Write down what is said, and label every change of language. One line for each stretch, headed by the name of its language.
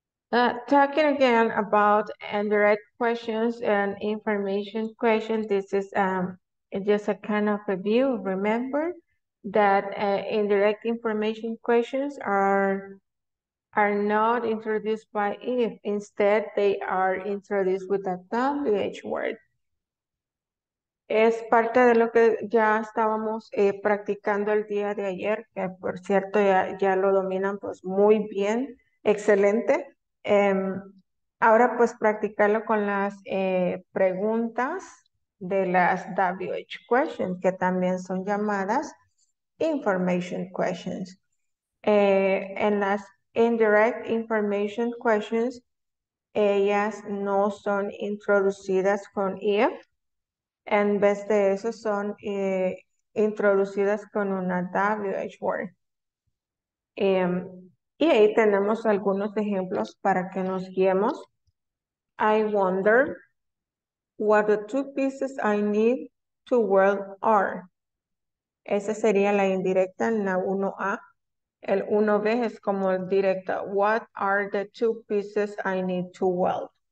English: Talking again about indirect questions and information questions, this is just a kind of a view. Remember that indirect information questions are not introduced by if. Instead, they are introduced with a WH word.
Spanish: Es parte de lo que ya estábamos practicando el día de ayer, que por cierto ya lo dominan pues muy bien, excelente. Ahora pues practicarlo con las preguntas de las WH questions, que también son llamadas information questions. En las indirect information questions, ellas no son introducidas con if. En vez de eso, son introducidas con una WH word. Y ahí tenemos algunos ejemplos para que nos guiemos.
English: I wonder what the two pieces I need to weld are.
Spanish: Esa sería la indirecta, la 1A. El 1B es como el directo.
English: What are the two pieces I need to weld?